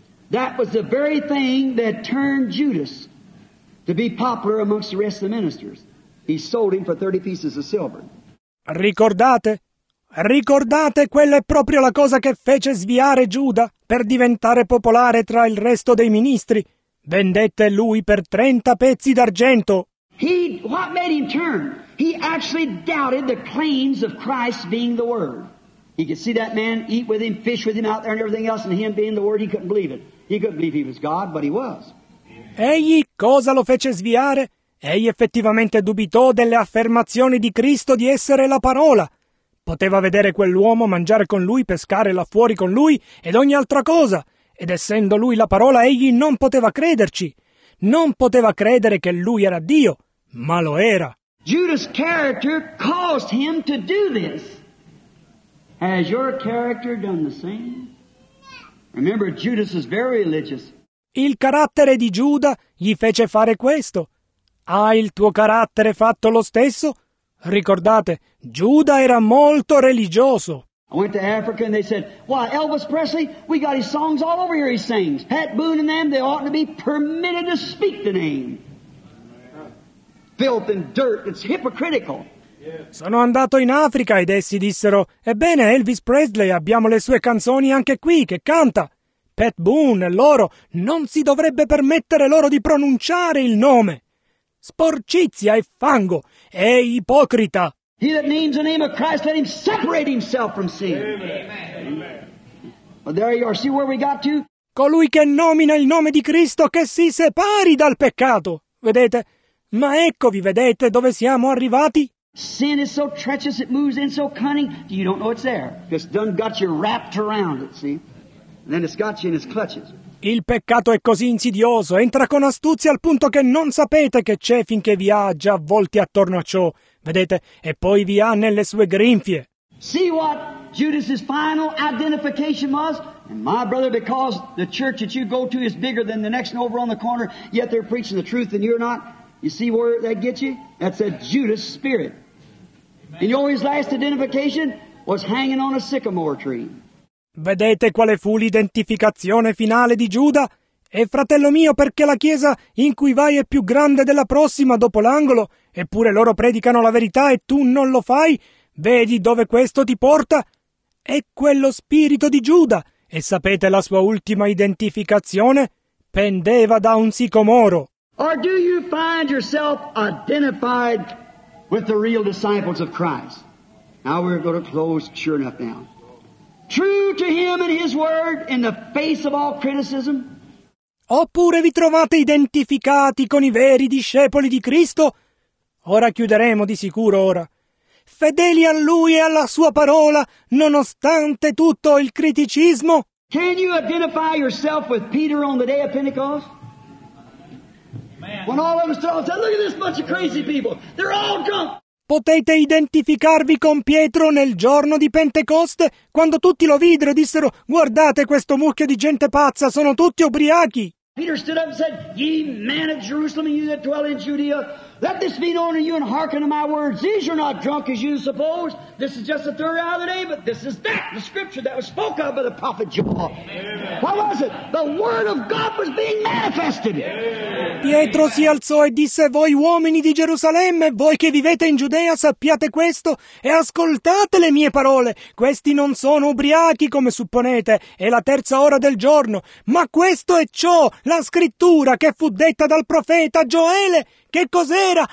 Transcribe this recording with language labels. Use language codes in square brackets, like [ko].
[en] That was the very thing that turned Judas to be popular amongst the rest of the ministers. He sold him for 30 pieces of silver. [it] Ricordate, quella è proprio la cosa che fece sviare Giuda per diventare popolare tra il resto dei ministri. Vendette lui per 30 pezzi d'argento. [en] What made him turn? He actually doubted the claims of Christ being the Word. He could see that man eat with him, fish with him out there and everything else, and him being the Word, he couldn't believe it. He couldn't believe he was God, but he was. [it] Egli cosa lo fece sviare? Egli effettivamente dubitò delle affermazioni di Cristo di essere la parola. Poteva vedere quell'uomo, mangiare con lui, pescare là fuori con lui ed ogni altra cosa. Ed essendo lui la parola, egli non poteva crederci. Non poteva credere che lui era Dio, ma lo era. [en] Judas character caused him to do this. Has your character done the same? Remember, Judas is very religious. [it] Il carattere di Giuda gli fece fare questo. Hai il tuo carattere fatto lo stesso? Ricordate, Giuda era molto religioso. [en] I went to Africa and they said, "Why, Elvis Presley, we got his songs all over here he sings. Pat Boone and them, they ought to be permitted to speak the name. Filth and dirt, it's hypocritical." [it] Sono andato in Africa ed essi dissero, ebbene Elvis Presley, abbiamo le sue canzoni anche qui, che canta. Pat Boone e loro, non si dovrebbe permettere loro di pronunciare il nome. Sporcizia e fango, e ipocrita. [en] He that names the name of Christ, let him separate himself from sin. Amen. Well, there you are, see where we got to? [it] Colui che nomina il nome di Cristo, che si separi dal peccato. Vedete? Ma eccovi, vedete dove siamo arrivati? [en] Sin is so treacherous, it moves in so cunning, you don't know it's there. It's done got you wrapped around it, see? And then it's got you in its clutches. [it] Il peccato è così insidioso, entra con astuzia al punto che non sapete che c'è finché vi ha già avvolti attorno a ciò, vedete? E poi vi ha nelle sue grinfie. [en] See what Judas's final identification was? And my brother, because the church that you go to is bigger than the next one over on the corner, yet they're preaching the truth and you're not. You see where that gets you? That's a Judas spirit. Amen. And your always last identification was hanging on a sycamore tree. [it] Vedete quale fu l'identificazione finale di Giuda? E fratello mio, perché la chiesa in cui vai è più grande della prossima dopo l'angolo, eppure loro predicano la verità e tu non lo fai? Vedi dove questo ti porta? È quello spirito di Giuda. E sapete la sua ultima identificazione? Pendeva da un sicomoro. [en] Or do you find yourself identified with the real disciples of Christ? Now we're going to close sure enough now. True to him and his word in the face of all criticism? [it] Oppure vi trovate identificati con i veri discepoli di Cristo? Ora chiuderemo di sicuro ora. Fedeli a lui e alla sua parola, nonostante tutto il criticismo? [en] Can you identify yourself with Peter on the day of Pentecost? When all of us told them, look at this bunch of crazy people, they're all drunk! [it] Potete identificarvi con Pietro nel giorno di Pentecoste, quando tutti lo videro e dissero, guardate questo mucchio di gente pazza, sono tutti ubriachi! [en] Peter stood up and said, ye men of Jerusalem and you that dwell in Judea, let this be known to you and hearken to my words. These are not drunk as you suppose. This is just the third hour of the day, but this is that, the scripture that was spoken of by the prophet Joel. What was it? The word of God was being manifested. [it] Pietro si alzò e disse, voi uomini di Gerusalemme, voi che vivete in Giudea, sappiate questo e ascoltate le mie parole. Questi non sono ubriachi, come supponete, è la terza ora del giorno, ma questo è ciò, la scrittura che fu detta dal profeta Gioele. Che cos'era?